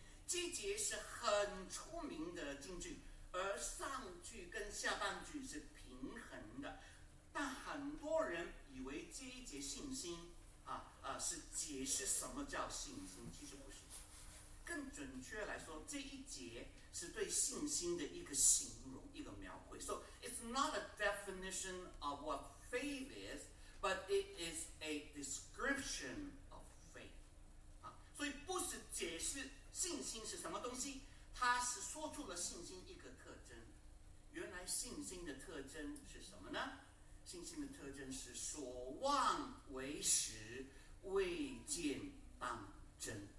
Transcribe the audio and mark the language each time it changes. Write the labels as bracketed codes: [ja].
[zh] 这节是很出名的金句，而上句跟下半句是平衡的，但很多人以为这一节信心是解释什么叫信心，其实不是。更准确来说，这一节是对信心的一个形容，一个描绘。 [en] So it's not a definition of what faith is, but it is a description of faith. [zh] 所以不是解释信心是什么东西，它是说出了信心一个特征。原来信心的特征是什么呢？信心的特征是所望为实，未见当真。